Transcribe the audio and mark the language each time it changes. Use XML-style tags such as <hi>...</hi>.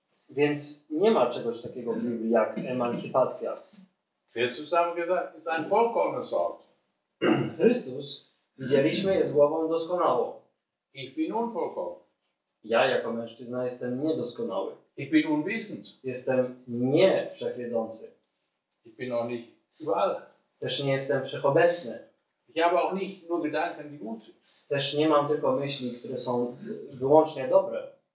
<pl>Więc nie ma czegoś takiego w Biblii jak emancypacja.</pl> <de>Christus haben gesagt, ist ein vollkommenes Haupt.</de> <pl>Chrystus, widzieliśmy, jest głową doskonałą.</pl> <de>Ich bin unvollkommen.</de> <pl>Ja jako mężczyzna jestem niedoskonały.</pl> <de>Ich bin unwissend.</de> <pl>Jestem nie wszechwiedzący.</pl> <de>Ich bin auch nicht überall.</de> <pl>Też nie jestem wszechobecny.</pl> <de>Ich habe auch nicht nur Gedanken, die gut sind.</de> <pl>Też nie mam tylko myśli, które są wyłącznie dobre.</pl>